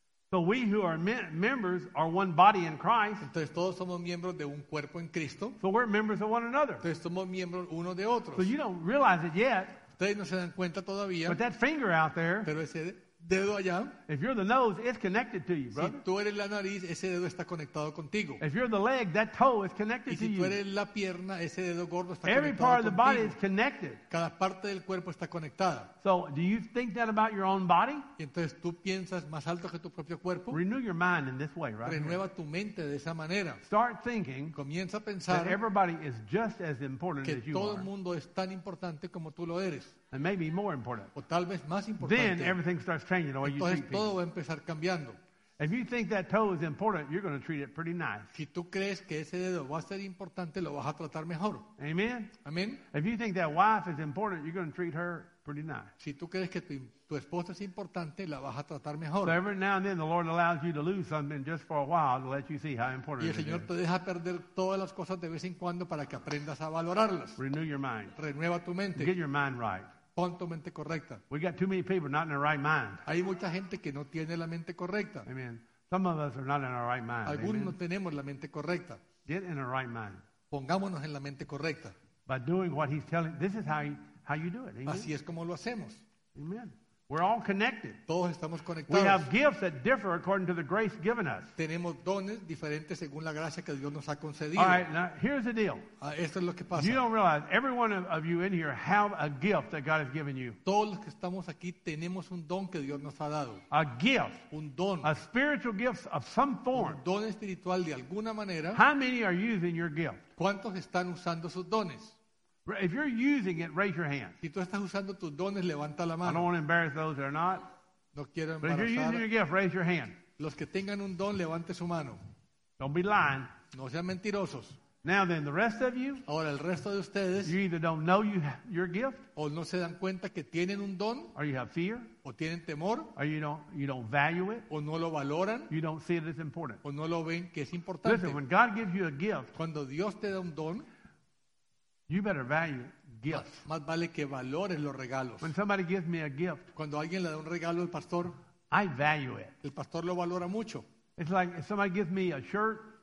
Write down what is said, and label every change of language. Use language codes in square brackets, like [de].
[en] So we who are members are one body in Christ. [es] Entonces todos somos miembros de un cuerpo en Cristo. [en] So we're members of one another. [es] Entonces somos miembros uno de otros. [en] So you don't realize it yet. [es] Ustedes no se dan cuenta todavía. [en] But that finger out there. [es] Pero ese dedo allá. [en] If you're the nose, it's connected to you, brother. [es] Si tú eres la nariz, ese dedo está conectado contigo. [en] If you're the leg, that toe is connected to you. [es] Y si tú eres la pierna, ese dedo gordo está conectado contigo. [en] Every part of the body is connected. [es] Cada parte del cuerpo está conectada. [en] So, do you think that about your own body? [es] Entonces, ¿tú piensas más alto que tu propio cuerpo? [en] Renew your mind in this way, right? [es] Renueva tu mente de esa manera. [en] Start thinking. [es] Comienza a pensar [en] that everybody is just as important as you are. [es] Que todo el mundo es tan importante como tú lo eres. [en] And maybe more important. [es] O tal vez más importante. [en] Then everything starts changing the way you treat [es] todo va a empezar cambiando. [en] If you think that toe is important, you're going to treat it pretty nice. [es] Si tú crees que ese dedo va a ser importante, lo vas a tratar mejor. [en] Amen. [es] Amen. [en] If you think that wife is important, you're going to treat her pretty nice. [es] Si tú crees que tu esposa es importante, la vas a tratar mejor. [en] So every now and then, the Lord allows you to lose something just for a while to let you see how important it is. [es] Y el Señor te deja perder todas las cosas de vez en cuando para que aprendas a valorarlas. [en] Renew your mind. [es] Renueva tu mente. [en] Get your mind right. [es] Pon tu mente correcta. [en] We got too many people not in the right mind. [es] Hay mucha gente que no tiene la mente correcta. [en] Amen. Some of us are not in our right mind. [es] Algunos Amen. No tenemos la mente correcta. [en] Get in the right mind. [es] Pongámonos en la mente correcta. [en] By doing what he's telling, this is how you do it. Amen. [es] Así es como lo hacemos. [en] Amen. We're all connected. [es] Todos estamos conectados. [en] We have gifts that differ according to the grace given us. [es] Tenemos dones diferentes según la gracia que Dios nos ha concedido. [en] All right, now here's the deal. [es] Esto es lo que pasa. [en] You don't realize every one of you in here have a gift that God has given you. [es] Todos los que estamos aquí tenemos un don que Dios nos ha dado. [en] A gift. [es] Un don. [en] A spiritual gift of some form. [es] Un don espiritual de alguna manera. [en] How many are using your gift? [es] ¿Cuántos están usando sus dones? [en] If you're using it, raise your hand. [es] Si tú estás usando tus dones, levanta la mano. [en] I don't want to embarrass those that are not. [es] No quiero embarazar. [en] But if you're using your gift, raise your hand. [es] Los que tengan un don, levante su mano. [en] Don't be lying. [es] No sean mentirosos. [en] Now then, the rest of you. [es] Ahora el resto de ustedes. [en] You either don't know your gift. [es] O no se dan cuenta que tienen un don. [en] Or you have fear. [es] O tienen temor. [en] Or you don't value it. [es] O no lo valoran. [en] You don't see it as important. [es] O no lo ven que es importante. [en] Listen, when God gives you a gift. [es] Cuando Dios te da un don. [en] You better value gifts. [es] Más vale que valores los regalos. [en] When somebody gives me a gift, [es] cuando alguien le da un regalo al pastor, [en] I value it. [es] El pastor lo valora mucho. [en] It's like if somebody gives me a shirt,